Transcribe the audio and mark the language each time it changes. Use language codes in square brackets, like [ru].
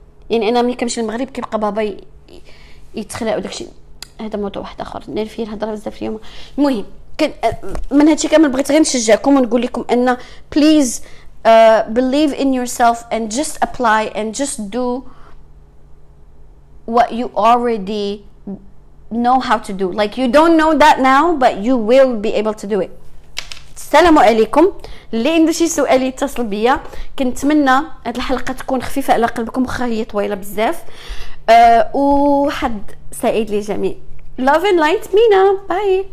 [ar] يعني انا ملي كنمشي للمغرب كيبقى بابا يتخلع وداكشي، هذا موضوع واحد اخر ندير فيه الهضره بزاف اليوم. المهم من هادشي كامل بغيت غير نشجعكم ونقول لكم ان [en] Please believe in yourself and just apply and just do what you already know how to do. Like you don't know that now, but you will be able to do it. [ar] السلام عليكم. اللي عنده شي سؤال يتصل بيا. كنتمنى هاد الحلقة تكون خفيفة على قلبكم واخا هي طويلة بزاف. وحد سعيد للجميع. [en] Love and light [ar] مينا. Bye.